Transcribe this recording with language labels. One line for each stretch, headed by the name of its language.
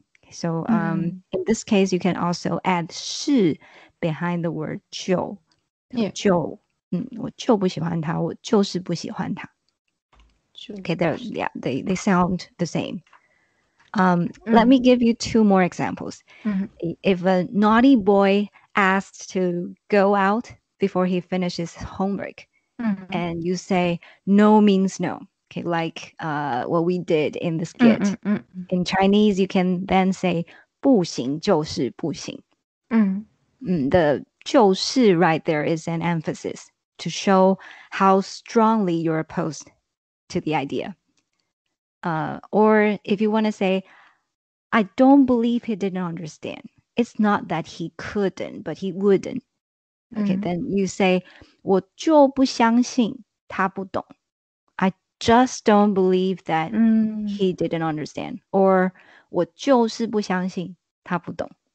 English: So in this case, you can also add 是 behind the word 就. Yeah.
Chinese: 就, 我就不喜欢他，我就是不喜欢他.
English: Okay, they sound the same. Let me give you 2 more examples. If a naughty boy asks to go out before he finishes homework, and you say no means no, okay, like what we did in the skit. In Chinese, you can then say
Chinese: 不行就是不行.
English: The 就是 right there is an emphasis to show how strongly you're opposed to the idea. Or if you want to say, I don't believe he didn't understand. It's not that he couldn't, but he wouldn't. Okay, then you say,
Chinese: 我就不相信他不懂.
English: I just don't believe that he didn't understand.
Chinese: Or 我就是不相信他不懂.